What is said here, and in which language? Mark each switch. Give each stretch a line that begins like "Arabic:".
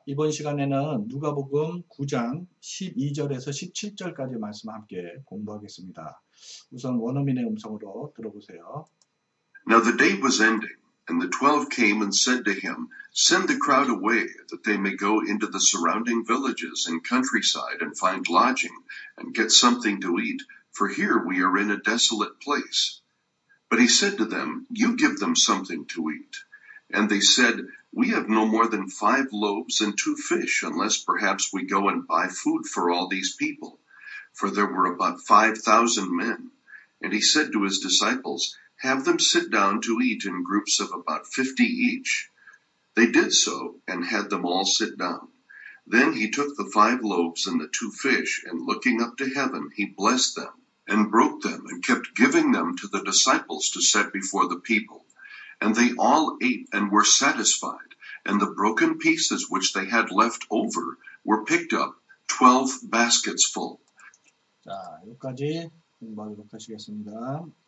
Korean: 이번 시간에는 누가복음 9장 12절에서 17절까지 말씀 함께 공부하겠습니다. 우선 원어민의 음성으로 들어보세요.
English: Now the day was ending, and the 12 came and said to him, Send the crowd away, that they may go into the surrounding villages and countryside and find lodging and get something to eat, for here we are in a desolate place. But he said to them, You give them something to eat. And they said, We have no more than 5 loaves and 2 fish, unless perhaps we go and buy food for all these people. For there were about 5,000 men. And he said to his disciples, Have them sit down to eat in groups of about 50 each. They did so and had them all sit down. Then he took the 5 loaves and the 2 fish, and looking up to heaven, he blessed them and broke them and kept giving them to the disciples to set before the people. And they all ate and were satisfied, and the broken pieces which they had left over were picked up, 12 baskets full.
Korean: 자, 여기까지 공부하도록 하시겠습니다.